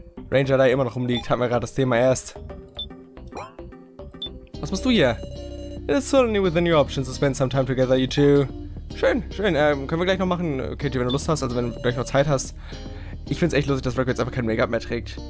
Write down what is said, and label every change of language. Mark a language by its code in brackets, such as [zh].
[de] Ranger da immer noch rumliegt, haben wir gerade das Thema erst. Was machst du hier? [en] It is certainly within your options to spend some time together, you two. [de] Schön, schön. Können wir gleich noch machen, Katie, okay, wenn du Lust hast, also wenn du gleich noch Zeit hast. Ich find's echt lustig, dass Rekko jetzt einfach kein Make-up mehr trägt.